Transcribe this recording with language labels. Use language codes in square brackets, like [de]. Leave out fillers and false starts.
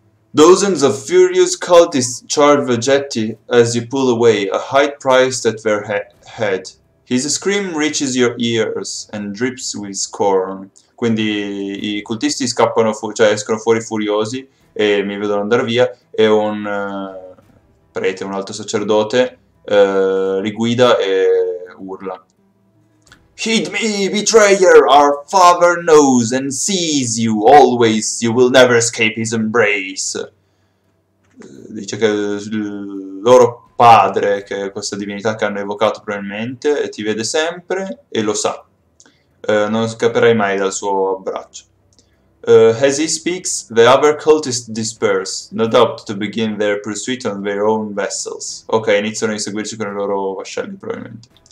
[en] Dozens of furious cultists charge the jetty as you pull away, a high price at their head. His scream reaches your ears and drips with scorn. [it] Quindi i cultisti scappano fu cioè escono fuori furiosi e mi vedono andare via. E un prete, un alto sacerdote, li guida e urla: [en] Heed me, betrayer! Our father knows and sees you always. You will never escape his embrace. [it] Dice che il loro padre, che è questa divinità che hanno evocato probabilmente, ti vede sempre e lo sa. Non scapperai mai dal suo abbraccio. [en] As he speaks, the other cultists disperse, no doubt to begin their pursuit on their own vessels. [it] Ok, iniziano a inseguirci con i loro vascelli, probabilmente.